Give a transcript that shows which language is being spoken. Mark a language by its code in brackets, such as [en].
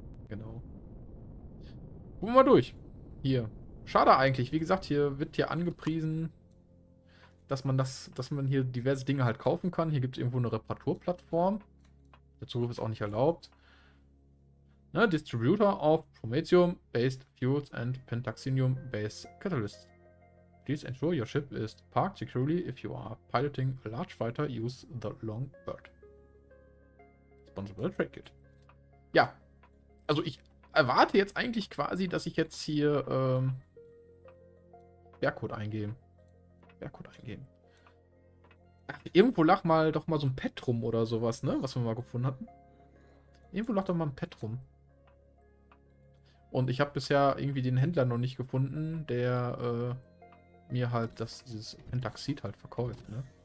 [de] Genau. Gucken wir mal durch. Hier. Schade eigentlich. Wie gesagt, hier wird hier angepriesen, dass man das, dass man hier diverse Dinge halt kaufen kann. Hier gibt es irgendwo eine Reparaturplattform. Der Zugriff ist auch nicht erlaubt. [en] Ne, Distributor of Prometheum-based fuels and Pentaxinium-based catalysts. Please ensure your ship is parked securely if you are piloting a large fighter. Use the long bird. Sponsored by the Trade Guild. [de] Ja. Also ich erwarte jetzt eigentlich quasi, dass ich jetzt hier Bergcode eingeben. Ach, irgendwo lag mal doch mal so ein Petrum oder sowas, ne? Was wir mal gefunden hatten. Irgendwo lag doch mal ein Petrum. Und ich habe bisher irgendwie den Händler noch nicht gefunden, der mir halt das, dieses Pentaxid halt verkauft, ne?